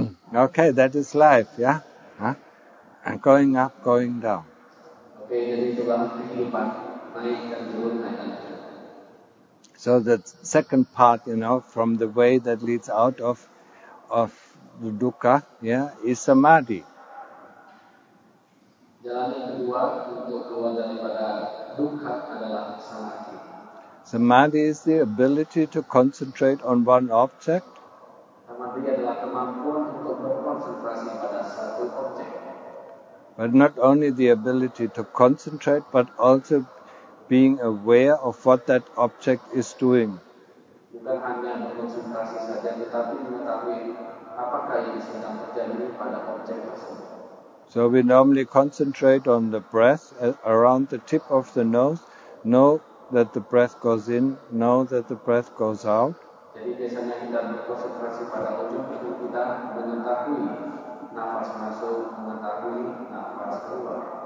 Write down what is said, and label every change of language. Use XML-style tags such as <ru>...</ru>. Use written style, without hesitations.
<en>Okay, that is life, yeah? Huh? And going up, going down. Okay, then you go up, you go up,</en> <id>naik dan turun, naik dan turun.</id> <en>So the second part, you know, from the way that leads out of the dukkha, yeah, is samadhi.</en> <id>Jalan yang kedua untuk keluar daripada dukkha adalah samadhi.</id> <en>Samadhi is the ability to concentrate on one object.</en> <id>Samadhi adalah kemampuan untuk berkonsentrasi pada satu objek.</id> <en>But not only the ability to concentrate, but also being aware of what that object is doing.</en> <id>Bukan hanya berkonsentrasi saja, tetapi mengetahui apakah yang sedang terjadi pada objek tersebut.</id> <en>So we normally concentrate on the breath around the tip of the nose. No. That the breath goes in, know that the breath goes out.</en> <id>Jadi biasanya kita berkonsentrasi pada ujung hidung kita, mengetahui nafas masuk, mengetahui nafas keluar.</id>